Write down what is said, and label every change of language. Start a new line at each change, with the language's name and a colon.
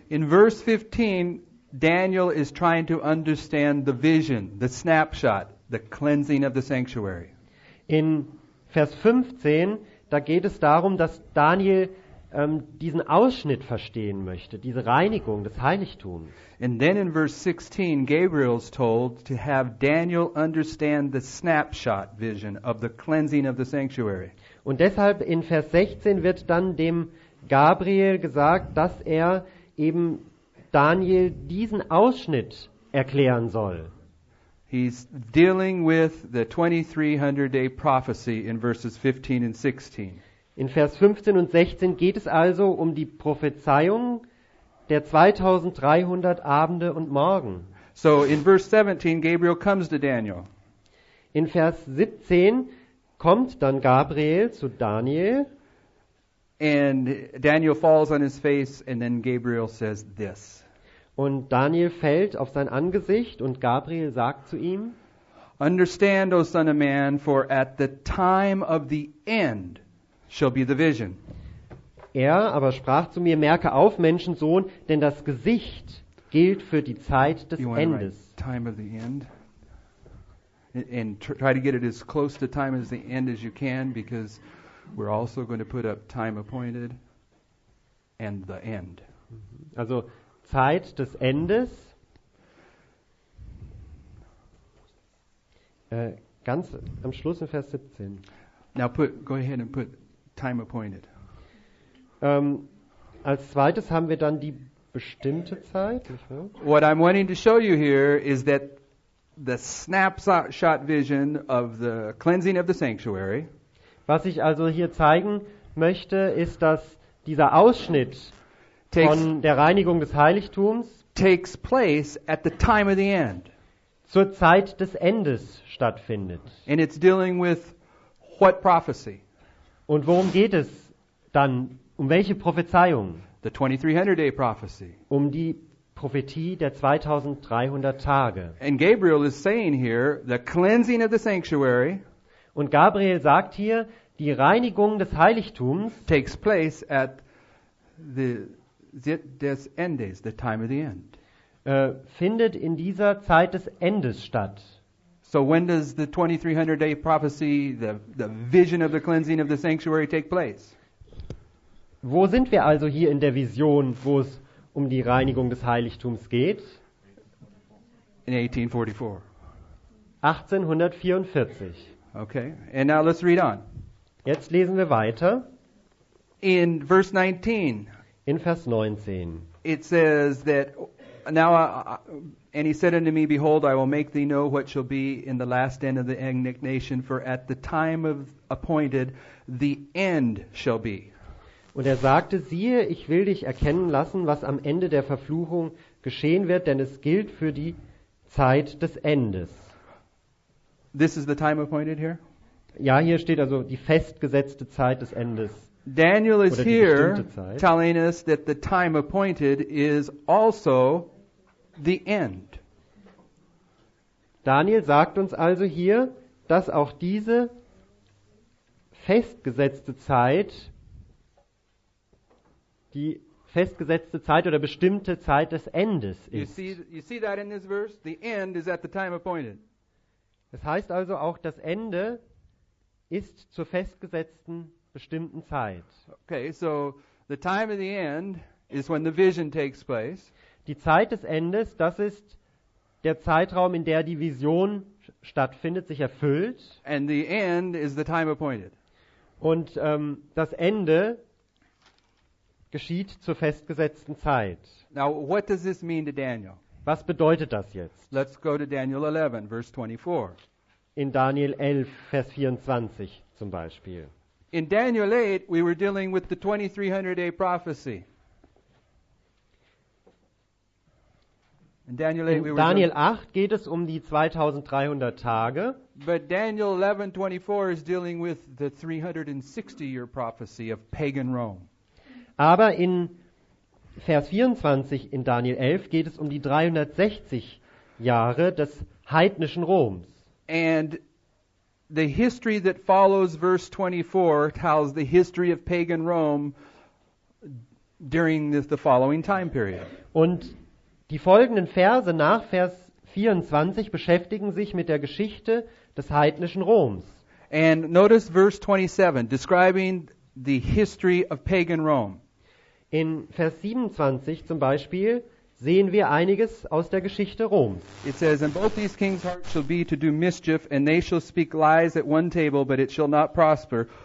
English: In verse 15, Daniel is trying to understand the vision, the snapshot, the cleansing of the sanctuary.
German: In Vers 15, da geht es darum, dass Daniel diesen Ausschnitt verstehen möchte, diese Reinigung des Heiligtums.
English: And then in verse 16, Gabriel's told to have Daniel understand the snapshot vision of the cleansing of the sanctuary.
German: Und deshalb in Vers 16 wird dann dem Gabriel gesagt, dass er eben Daniel diesen Ausschnitt erklären soll.
English: He's dealing with the 2300-day prophecy in verses 15 and 16.
German: In Vers 15 und 16 geht es also um die Prophezeiung der 2300 Abende und Morgen.
English: So in verse 17 Gabriel comes to Daniel.
German: In Vers 17 kommt dann Gabriel zu Daniel.
English: And Daniel falls on his face and then Gabriel says this.
German: Und Daniel fällt auf sein Angesicht und Gabriel sagt zu ihm:
English: Understand, O son of man, for at the time of the end shall be the vision.
German: Er aber sprach zu mir: Merke auf, Menschensohn, denn das Gesicht gilt für die Zeit des Endes.
English: Time of the end. And try to get it as close to time as the end as you can, because we're also going to put up time appointed and the end.
German: Also Zeit des Endes. Ganz am Schluss in Vers 17.
English: Now put, go ahead and put time appointed.
German: Als zweites haben wir dann die bestimmte Zeit.
English: What I'm wanting to show you here is that the snapshot vision of the cleansing of the sanctuary.
German: Was ich also hier zeigen möchte, ist, dass dieser Ausschnitt von der Reinigung des Heiligtums
English: takes place at the time of the end.
German: Zur Zeit des Endes stattfindet.
English: And it's dealing with what prophecy?
German: Und worum geht es dann? Um welche Prophezeiung?
English: The 2300-day prophecy.
German: Um die Prophetie der 2300 Tage.
English: And Gabriel is saying here, the cleansing of the sanctuary.
German: Und Gabriel sagt hier, die Reinigung des Heiligtums
English: takes place at the
German: des Endes,
English: the time of the end.
German: Findet in dieser Zeit des Endes statt.
English: So when does the 2300-day prophecy, the vision of the cleansing of the sanctuary take place?
German: Wo sind wir also hier in der Vision, wo es um die Reinigung des Heiligtums geht?
English: In 1844. Okay, and now let's read on.
German: Jetzt lesen wir weiter.
English: In verse 19.
German: In Vers 19.
English: It says that now, and he said unto me, Behold, I will make thee know what shall be in the last end of the indignation, for at the time of appointed, the end shall be.
German: Und er sagte, siehe, ich will dich erkennen lassen, was am Ende der Verfluchung geschehen wird, denn es gilt für die Zeit des Endes.
English: This is the time appointed here?
German: Ja, hier steht also die festgesetzte Zeit des Endes.
English: Daniel is here telling us that the time appointed is also the end.
German: Daniel sagt uns also hier, dass auch diese festgesetzte Zeit die festgesetzte Zeit oder bestimmte Zeit des Endes ist.
English: You see that in this verse? The end is at the time appointed.
German: Das heißt also auch, das Ende ist zur festgesetzten bestimmten Zeit.
English: Okay, so the time of the end is when the vision takes place.
German: Die Zeit des Endes, das ist der Zeitraum, in der die Vision stattfindet, sich erfüllt.
English: And the end is the time appointed.
German: Und das Ende geschieht zur festgesetzten Zeit.
English: Now, what does this mean to Daniel?
German: Was bedeutet das jetzt?
English: Let's go to Daniel 11, verse 24.
German: In Daniel 11, Vers 24 zum Beispiel.
English: In Daniel 8, we were dealing with the 2300-day prophecy.
German: In Daniel 8,
English: we were
German: Daniel 8 geht es um die 2300 Tage.
English: But Daniel 11, 24 is dealing with the 360-year prophecy of pagan Rome.
German: Aber in Vers 24 in Daniel 11 geht es um die 360 Jahre des heidnischen Roms.
English: And the history that follows verse 24 tells the history of pagan Rome during the following time period.
German: Und die folgenden Verse nach Vers 24 beschäftigen sich mit der Geschichte des heidnischen Roms.
English: And notice verse 27 describing the history of pagan Rome.
German: In Vers 27 zum Beispiel sehen wir einiges aus der Geschichte Roms.
English: It says, and both these kings' hearts shall be to do mischief, and they shall speak lies at one table, but it shall not prosper.